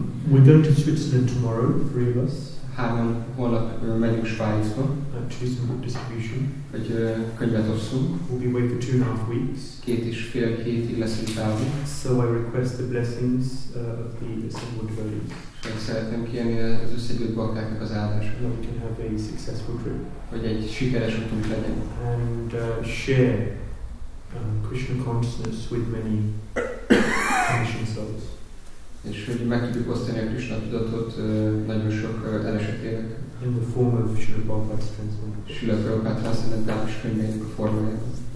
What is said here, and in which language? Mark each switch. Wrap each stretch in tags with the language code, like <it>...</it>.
<en>We're going to Switzerland tomorrow, three of us.</en> <hu>Hárman holnap megyünk Svájcba.</hu> <en>To some book distribution.</en> <hu>Hogy könyvet osszunk.</hu> <en>We'll be away for 2.5 weeks.</en> <hu>Két és fél hétig leszünk távol.</hu> <en>So I request the blessings of the assembled devotees.</en> <hu>Csak szeretném kérni az összegyűlt bakáknak az áldását.</hu> <en>That we can have a successful trip.</en> <hu>Hogy egy sikeres útunk legyen.</hu> <en>And share Krishna consciousness with many conditioned souls.</en> <hu>És hogy meg tudjuk osztani a Krishna tudatot nagyon sok elesetének.</hu> <en>In the form of Srila Prabhupada's transcendental.</en> <hu>Srila Prabhupada transcendentális könyvének a formájában.</hu>